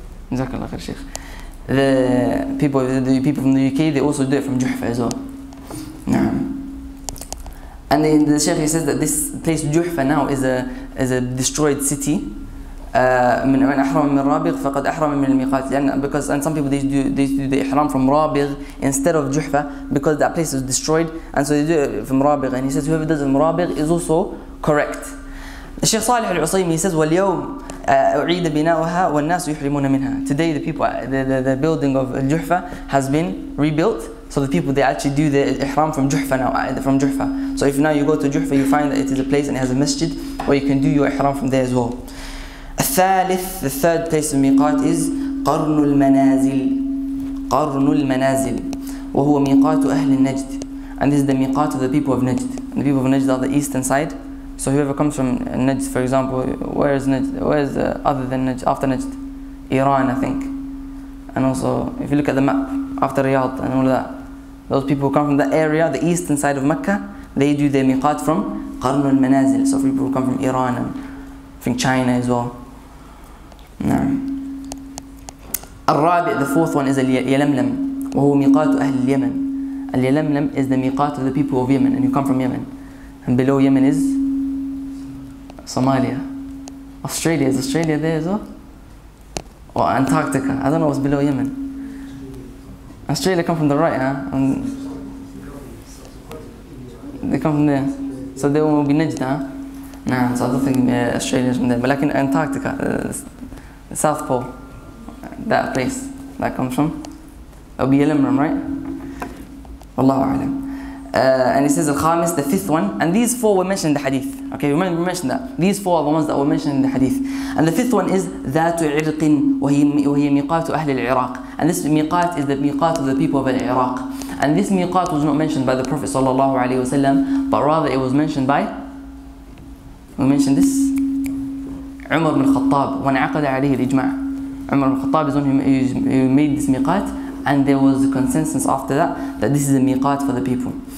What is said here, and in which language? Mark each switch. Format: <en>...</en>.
<en>Jazakallah khair, Sheikh. The people from the UK, they also do it from Juhfa as well. And the Sheikh, he says that this place Juhfa now is a destroyed city.</en> <ar>من أحرم من رابغ فقد أحرم من الميقات.</ar> <en>Because and some people they do the ihram from رابغ instead of Juhfa because that place is destroyed, and so they do it from رابغ. And he says whoever does it from رابغ is also correct.</en> <ar>الشيخ صالح العصيمي says واليوم أعيد بناؤها والناس يحرمون منها.</ar> <en>Today the building of Juhfa has been rebuilt, so the people they actually do the ihram from Juhfa now, from Juhfa. So if now you go to Juhfa, you find that it is a place and it has a masjid where you can do your ihram from there as well. The third place of miqat is قرن المنازل.</en> <ar>قرن المنازل وهو ميقات أهل النجد.</ar> <en>And this is the miqat of the people of Najd. And the people of Najd are the eastern side. So whoever comes from Najd, for example, where is Najd? Where is other than Najd? After Najd, Iran, I think. And also, if you look at the map, after Riyadh and all that, those people who come from that area, the eastern side of Mecca, they do their miqat from قرن المنازل. So people who come from Iran and I think China as well.</en> <ar>الرابع,</ar> <en>the fourth one is</en> <ar>اليلملم وهو ميقات أهل اليمن.</ar> <en>اليلملم is the ميقات of the people of Yemen, and you come from Yemen. And below Yemen is Somalia. Australia, is Australia there as well? Or Antarctica, I don't know what's below Yemen. Australia come from the right, huh? They come from there. So they will be Najd, huh? Nah, so I don't think Australia is from there. But like in Antarctica, the South Pole, that place that comes from, it'll be Yelamram, right? Wallahu a'lam. And he says Al-Khamis, the fifth one. And these four were mentioned in the hadith. Okay, remember we mentioned that. These four are the ones that were mentioned in the hadith. And the fifth one is</en> <ar>ذَاتُ عِرْقٍ وَهِيَ مِقَاتُ أَهْلِ الْعِرَاقِ.</ar> <en>And this miqat is the miqat of the people of Iraq. And this miqat was not mentioned by the Prophet sallallahu alayhi wa sallam, but rather it was mentioned by, we mentioned this, Umar bin Khattab, when</en> <ar>عقد عليه الإجماع.</ar> <en>Umar bin Khattab is the one who made this miqat, and there was a consensus after that this is a miqat for the people.</en>